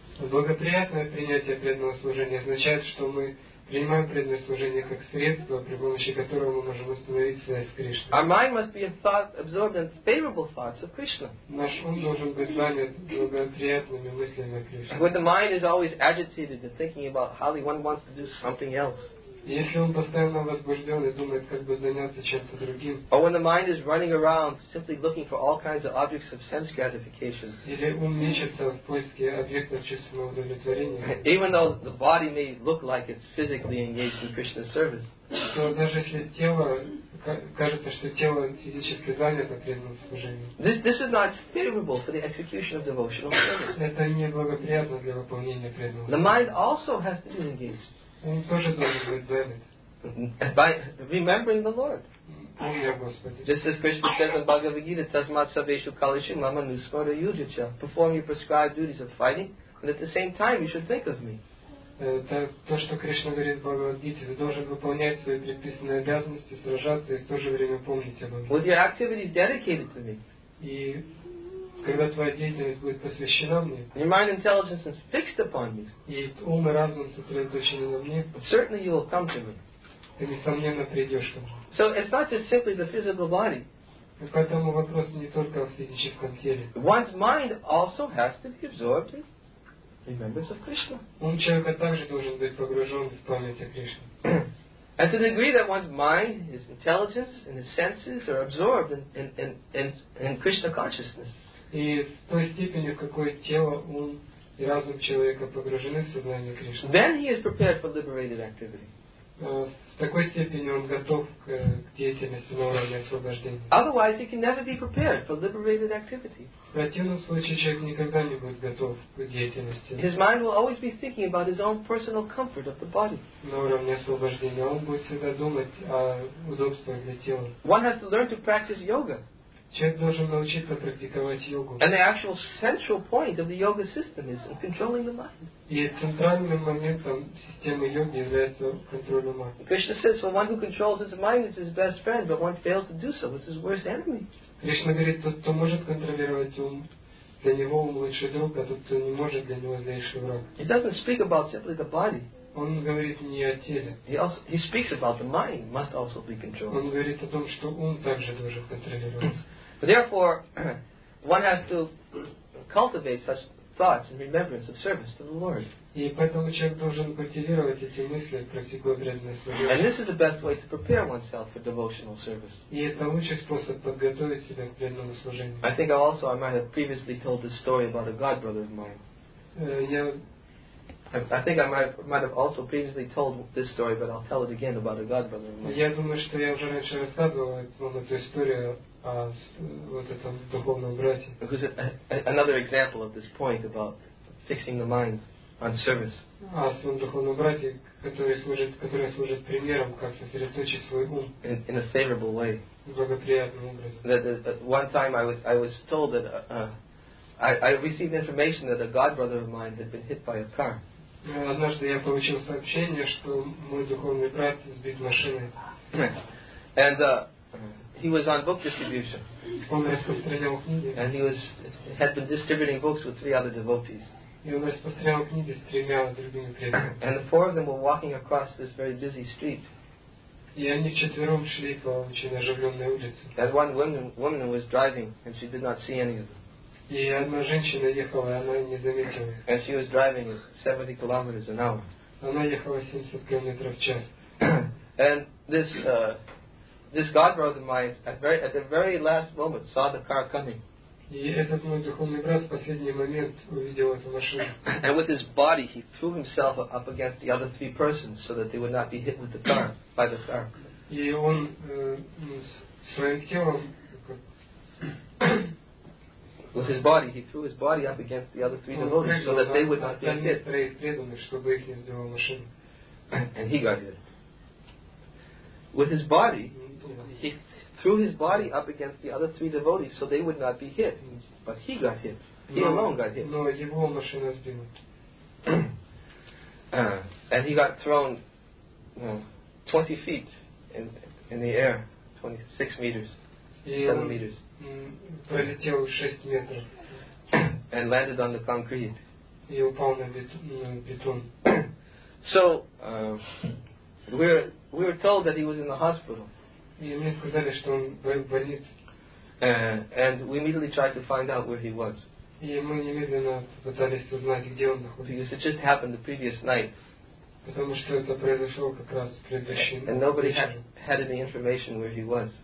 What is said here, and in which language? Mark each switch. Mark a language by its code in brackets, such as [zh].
[ru] Благоприятное принятие преданного служения означает, что мы принимаем преданное служение как средство, при помощи которого мы можем установить связь с Кришной. [en] Our mind must be absorbed in favorable thoughts of Krishna. [ru] Наш ум должен быть занят благоприятными мыслями о Кришне. [en] But the mind is always agitated and thinking about how one wants to do something else. [ru] Если он постоянно возбужден и думает, как бы заняться чем-то другим. [en] Or when the mind is running around simply looking for all kinds of objects of sense gratification. [ru] Или ум мечется в поиске объектов чувственного удовлетворения. [en] Even though the body may look like it's physically engaged in Krishna's service. [ru] То даже если тело, кажется, что тело физически занято преданным служением. [en] This is not favorable for the execution of devotional service. [ru] Это не благоприятно для выполнения преданного служения. [en] The mind also has to be engaged. [ru] Он тоже должен быть занят. [en] By remembering the Lord. [ru] Помня Господи. [en] Just as Krishna says in Bhagavad Gita, [sa] Tasmat Saveshu Kalishim Mama Nusmara Yudhicha. [en] Perform your prescribed duties of fighting, and at the same time you should think of me. [ru] Это то, что Кришна говорит в Бхагавад Гите. Ты должен выполнять свои предписанные обязанности, сражаться и в то же время помнить обо мне. [en] With your activities dedicated to me. [ru] И когда твоя деятельность будет посвящена мне, [en] your mind intelligence is fixed upon me, [ru] и ум и разум сосредоточены на мне, [en] certainly you will come to me. [ru] Ты несомненно придешь ко мне. [en] So it's not just simply the physical body. [ru] Поэтому вопрос не только в физическом теле. [en] One's mind also has to be absorbed in remembrance of Krishna. [ru] Ум человека также должен быть погружен в память о Кришне. [en] And to the degree that one's mind, his intelligence, and his senses are absorbed in Krishna consciousness. [ru] И в той степени, в какой тело, ум и разум человека погружены в сознание Кришны. [en] Then he is prepared for liberated activity. [ru] В такой степени он готов к деятельности на уровне освобождения. [en] Otherwise, he can never be prepared for liberated activity. [ru] В противном случае человек никогда не будет готов к деятельности. [en] His mind will always be thinking about his own personal comfort of the body. [ru] На уровне освобождения он будет всегда думать о удобствах для тела. [en] One has to learn to practice yoga. [ru] Человек должен научиться практиковать йогу. [en] And the actual central point of the yoga system is in controlling the mind. [ru] И центральным моментом системы йоги является контроль ума. [en] Krishna says, "Well, one who controls his mind is his best friend, but one fails to do so, is his worst enemy." [ru] Кришна говорит, тот, кто может контролировать ум, для него ум лучший друг, а тот, кто не может, для него злейший враг. [en] He doesn't speak about simply the body. [ru] Он говорит не о теле. [en] He speaks about the mind must also be controlled. [ru] Он говорит о том, что ум также должен контролироваться. [en] Therefore, one has to cultivate such thoughts in remembrance of service to the Lord. [ru] И поэтому человек должен культивировать эти мысли, практикуя преданное служение. [en] And this is the best way to prepare oneself for devotional service. [ru] И это лучший способ подготовить себя к преданному служению. [en] I think also I might have previously told this story about a god brother of mine. I think I might have also previously told this story, but I'll tell it again about a god brother. [ru] Я думаю, что я уже раньше рассказывал эту историю о вот этом духовном брате. [en] Because another example of this point about fixing the mind on service. [ru] О своем духовном брате, который служит примером, как сосредоточить свой ум. [en] In a favorable way. [ru] Благоприятным образом. [en] That one time I was told that I received information that a god brother of mine had been hit by a car. [ru] Однажды я получил сообщение, что мой духовный брат сбит машиной. [en] And he was on book distribution. [ru] Он распространял книги. [en] And he had been distributing books with three other devotees. [ru] И он распространял книги с тремя другими преданными. [en] And the four of them were walking across this very busy street. [ru] И они вчетвером шли по очень оживленной улице. [en] And one woman was driving, and she did not see any of them. [ru] И одна женщина ехала, и она не заметила. [en] And she was driving 70 kilometers an hour. [ru] Она ехала 70 километров в час. [en] And this god brother of mine at the very last moment saw the car coming. [ru] И этот мой духовный брат в последний момент увидел эту машину. [en] And with his body he threw himself up against the other three persons so that they would not be hit with the car by the car. [ru] И он своим телом [en] with his body, he threw his body up against the other three devotees so that they would not get hit. And he got hit. With his body, he threw his body up against the other three devotees so they would not be hit. But he got hit. He alone got hit. And he got thrown 20 feet in the air, 26 meters, 7 meters. [ru] Пролетел 6 метров. [en] And landed on the concrete. [ru] И упал на бетон. [en] So, we were told that he was in the hospital. [ru] И мне сказали, что он в больнице. [en] And we immediately tried to find out where he was. [ru] И мы немедленно пытались узнать, где он находится. [en] Because it just happened the previous night. [ru] Потому что это произошло как раз предыдущий [en] night. And nobody had any information where he was.